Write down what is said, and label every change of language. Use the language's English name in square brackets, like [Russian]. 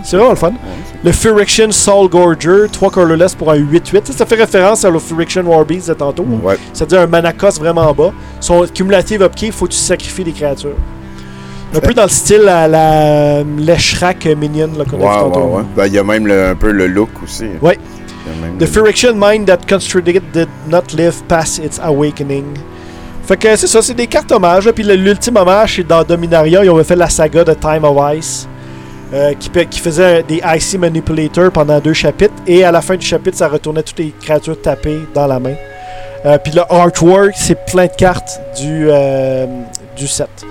[French] C'est vraiment le fun. Ouais, le Phyrexian Soul Gorger, 3 colorless pour un 8-8. Ça fait référence à le Phyrexian Warbeast de tantôt. Ouais. C'est-à-dire un mana cost vraiment bas. Son cumulative upkeep, faut que tu sacrifies des créatures. Un peu dans le style à la l'Eshrak Minion là, qu'on a vu tantôt. Ouais. Ben, y a même un peu le look aussi. Ouais. [English] The Phyrexian Mind that constructed did not live past its awakening. [French] Fait que c'est ça, c'est des cartes hommages. Puis l'ultime hommage, c'est dans Dominaria, ils avaient fait la saga de Time of Ice, qui faisait des Icy Manipulator pendant 2 chapitres. Et à la fin du chapitre, ça retournait toutes les créatures tapées dans la main. Puis le artwork, c'est plein de cartes du set.